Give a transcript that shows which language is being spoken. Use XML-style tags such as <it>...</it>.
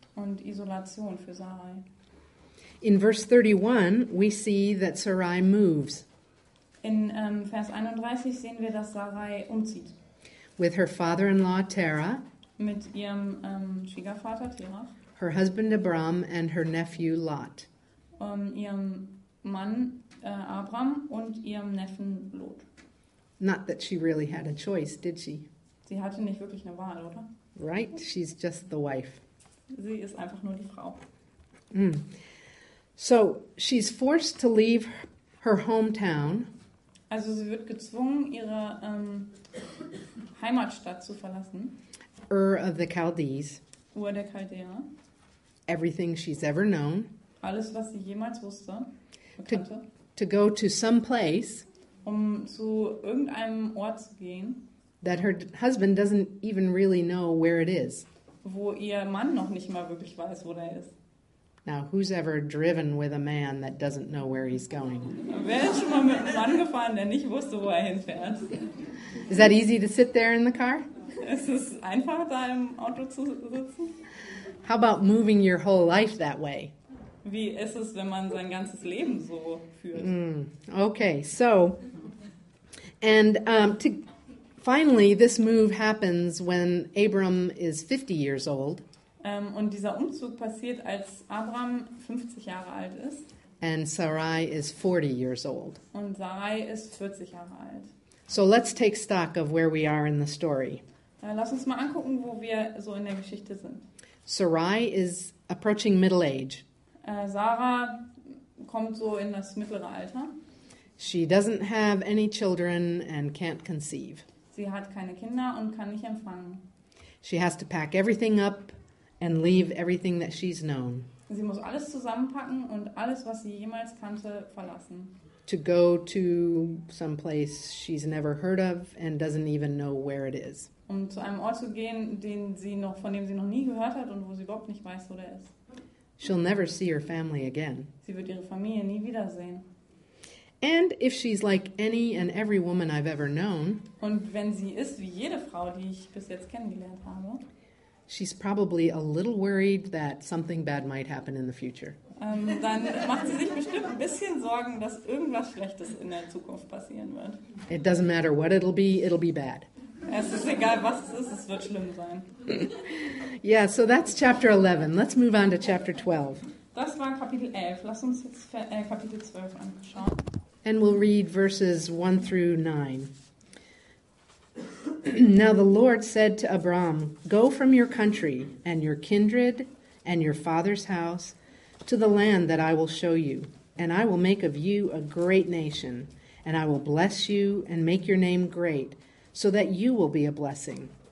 <de>Und Isolation für Sarai.</de> <en>In verse 31 we see that Sarai moves.</en> <de>In Vers 31 sehen wir, dass Sarai umzieht.</de> <en>With her father-in-law Terah.</en> <de>Mit ihrem Schwiegervater Terah.</de> <en>Her husband Abram and her nephew Lot.</en> <de>Ihrem Mann Abram und ihrem Neffen Lot.</de> <en>Not that she really had a choice, did she?</en> <de>Sie hatte nicht wirklich eine Wahl, oder?</de> <en>Right, she's just the wife.</en> <de>Sie ist einfach nur die Frau. Mm.</de> <en>So she's forced to leave her hometown.</en> <de>Also sie wird gezwungen, ihre Heimatstadt zu verlassen.</de> <en>Ur of the Chaldees.</en> <de>Ur der Chaldea.</de> <en>Everything she's ever known.</en> <de>Alles, was sie jemals wusste.</de> <en>To go to some place,</en> <de>um zu irgendeinem Ort zu gehen,</de> <en>that her husband doesn't even really know where it is.</en> <de>Wo ihr Mann noch nicht mal wirklich weiß, wo der ist.</de> <en>Now, who's ever driven with a man that doesn't know where he's going?</en> <de>Wer ist schon mal mit einem Mann gefahren, der nicht wusste, wo er hinfährt?</de> <en>Is that easy to sit there in the car?</en> <de>Ist es einfach, da im Auto zu sitzen?</de> <en>How about moving your whole life that way?</en> <de>Wie ist es, wenn man sein ganzes Leben so führt?</de> <en>Mm, okay, so, and to finally, this move happens when Abram is 50 years old.</en> <de>Und dieser Umzug passiert, als Abram 50 Jahre alt ist.</de> <en>And Sarai is 40 years old.</en> <de>Und Sarai ist 40 Jahre alt.</de> <en>So let's take stock of where we are in the story.</en> <de>Lass uns mal angucken, wo wir so in der Geschichte sind.</de> <en>Sarai is approaching middle age.</en> <de>Sarah kommt so in das mittlere Alter.</de> <en>She doesn't have any children and can't conceive.</en> <de>Sie hat keine Kinder und kann nicht empfangen.</de> <en>She has to pack everything up and leave everything that she's known.</en> <de>Sie muss alles zusammenpacken und alles, was sie jemals kannte, verlassen.</de> <en>To go to some place she's never heard of and doesn't even know where it is.</en> <de>Um zu einem Ort zu gehen, den sie noch, von dem sie noch nie gehört hat und wo sie überhaupt nicht weiß, wo der ist.</de> <en>She'll never see her family again.</en> <de>Sie wird ihre Familie nie wiedersehen.</de> <en>And if she's like any and every woman I've ever known,</en> <de>und wenn sie ist wie jede Frau, die ich bis jetzt kennengelernt habe,</de> <en>she's probably a little worried that something bad might happen in the future.</en> <de>Dann macht sie sich bestimmt ein bisschen Sorgen, dass irgendwas Schlechtes in der Zukunft passieren wird.</de> <en>It doesn't matter what it'll be bad.</en> <de>Es ist egal, was es ist, es wird schlimm sein.</de> <en>Yeah, so that's chapter 11. Let's move on to chapter 12.</en> <de>Das war Kapitel 11. Lass uns jetzt Kapitel 12 anschauen.</de> <en>And we'll read verses 1 through 9. Now the Lord said to Abram, go from your country and your kindred and your father's house to the land that I will show you, and I will make of you a great nation, and I will bless you and make your name great, so that you will be a blessing.</en>